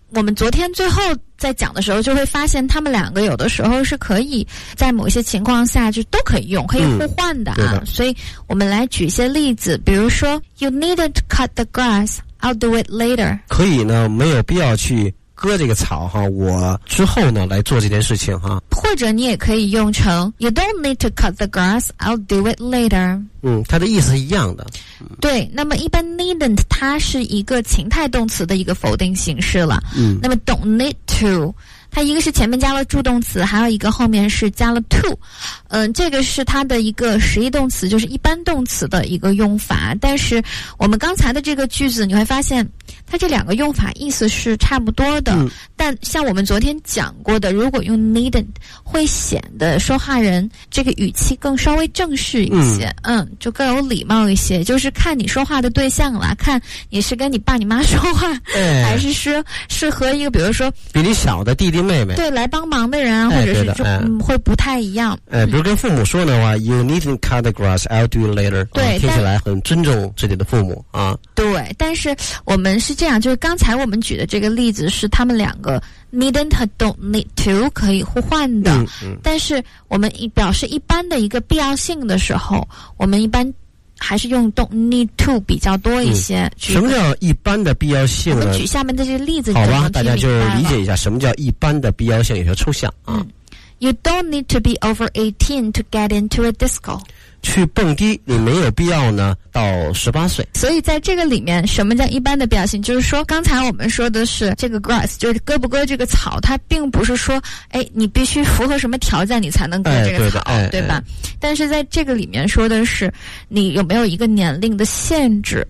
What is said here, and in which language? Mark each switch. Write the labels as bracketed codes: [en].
[zh] 我们昨天最后在讲的时候就会发现他们两个有的时候是可以在某些情况下就都可以用，可以互换的啊。嗯，对的。所以我们来举一些例子，比如说 [en] You needn't cut the grass I'll do it later. [zh] 可以呢，没有必要去割这个草哈，我之后呢来做这件事情哈。或者你也可以用成 [en] You don't need to cut the grass, I'll do it later. [zh] 它的意思是一样的。对，那么一般 needn't 它是一个情态动词的一个否定形式了。那么 [en] don't need to, [zh] 它一个是前面加了助动词，还有一个后面是加了 to。这个是它的一个实义动词，就是一般动词的一个用法。但是我们刚才的这个句子你会发现它这两个用法意思是差不多的，但像我们昨天讲过的，如果用 needn't 会显得说话人这个语气更稍微正式一些，就更有礼貌一些，就是看你说话的对象了，看你是跟你爸你妈说话，还是说是和一个比如说比你小的弟弟妹妹，对，来帮忙的人啊，或者是就会不太一样。比如跟父母说的话 [en] You needn't cut the grass, I'll do it later. [zh] 对，听起来很尊重自己的父母啊。对，但是我们是这样，就是刚才我们举的这个例子是他们两个 needn't 和 [en] don't need to [zh] 可以互换的，但是我们表示一般的一个必要性的时候，我们一般还是用 don't need to 比较多一些。什么叫一般的必要性呢？我们举下面的这个例子。好吧，大家就理解一下什么叫一般的必要性，有些抽象啊。 [en] You don't need to be over 18 to get into a disco. [zh] 去蹦迪，你没有必要呢，到18岁。所以在这个里面，什么叫一般的表现？就是说，刚才我们说的是这个 grass, 就是割不割这个草，它并不是说，哎，你必须符合什么条件你才能割这个草，对吧？但是在这个里面说的是，你有没有一个年龄的限制？